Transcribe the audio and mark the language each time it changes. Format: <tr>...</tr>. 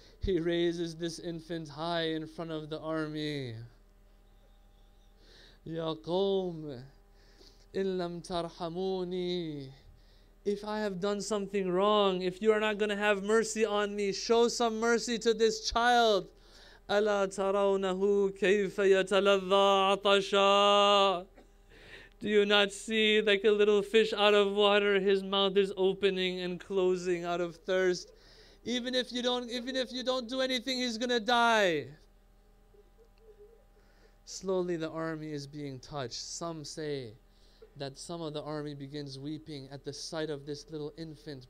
<en>He raises this infant high in front of the army.</en> <ar>Ya qawm, in lam tarhamuni.</ar> <en>If I have done something wrong, if you are not going to have mercy on me, show some mercy to this child.</en> <ar>أَلَا تَرَوْنَهُ كَيْفَ يَتَلَذَّى عَطَشًا.</ar> <en>Do you not see, like a little fish out of water, his mouth is opening and closing out of thirst. Even if you don't do anything, he's going to die. Slowly the army is being touched. Some say that some of the army begins weeping at the sight of this little infant.</en>